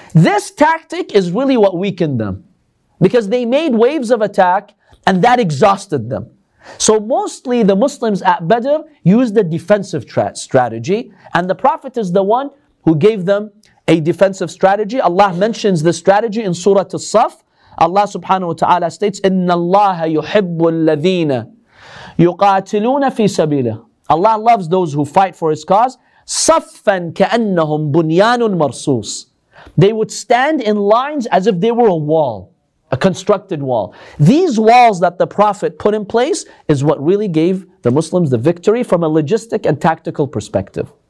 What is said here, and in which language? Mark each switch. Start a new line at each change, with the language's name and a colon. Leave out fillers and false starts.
English: This tactic is really what weakened them, because they made waves of attack, and that exhausted them. So mostly the Muslims at Badr used a defensive strategy, and the Prophet is the one who gave them a defensive strategy. Allah mentions the strategy in Surah As-Saff. Allah subhanahu wa ta'ala states,
Arabic: إِنَّ اللَّهَ يُحِبُّ الَّذِينَ يُقَاتِلُونَ فِي سَبِيلَهُ.
English: Allah loves those who fight for His cause.
Arabic: صَفًّا كَأَنَّهُمْ بُنْيَانٌ مَرْصُوصٌ.
English: They would stand in lines as if they were a wall. A constructed wall. These walls that the Prophet put in place is what really gave the Muslims the victory from a logistic and tactical perspective.